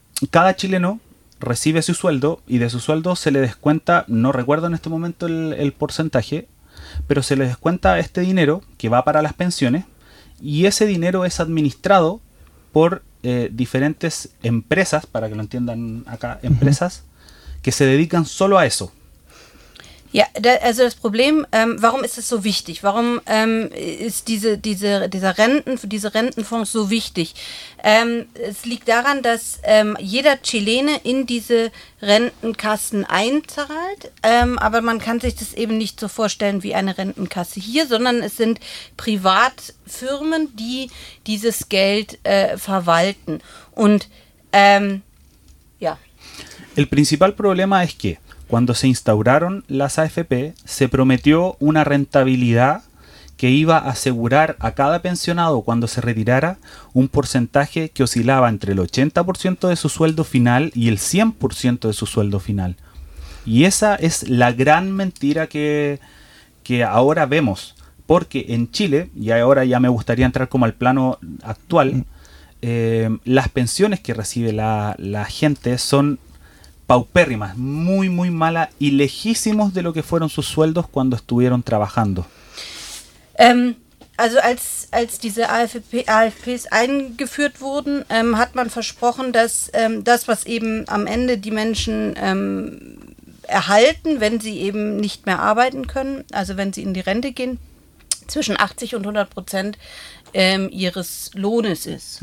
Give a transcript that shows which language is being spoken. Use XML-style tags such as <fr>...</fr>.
<es>Cada chileno recibe su sueldo y de su sueldo se le descuenta, no recuerdo en este momento el porcentaje, pero se les descuenta este dinero que va para las pensiones y ese dinero es administrado por diferentes empresas, para que lo entiendan acá, empresas que se dedican solo a eso.</es> <de>Ja, also das Problem, warum ist es so wichtig? Warum ist dieser Rentenfonds so wichtig? Es liegt daran, dass jeder Chilene in diese Rentenkassen einzahlt, aber man kann sich das eben nicht so vorstellen wie eine Rentenkasse hier, sondern es sind Privatfirmen, die dieses Geld verwalten. Und ja.</de> <es>El principal problema es que cuando se instauraron las AFP, se prometió una rentabilidad que iba a asegurar a cada pensionado cuando se retirara un porcentaje que oscilaba entre el 80% de su sueldo final y el 100% de su sueldo final. Y esa es la gran mentira que ahora vemos. Porque en Chile, y ahora ya me gustaría entrar como al plano actual, las pensiones que recibe la gente son paupérrimas, muy muy mala y lejísimos de lo que fueron sus sueldos cuando estuvieron trabajando.</es> <de>Also als diese AFPs eingeführt wurden, hat man versprochen, dass das, was eben am Ende die Menschen erhalten, wenn sie eben nicht mehr arbeiten können, also wenn sie in die Rente gehen, zwischen 80% und 100% ihres Lohnes ist.</de>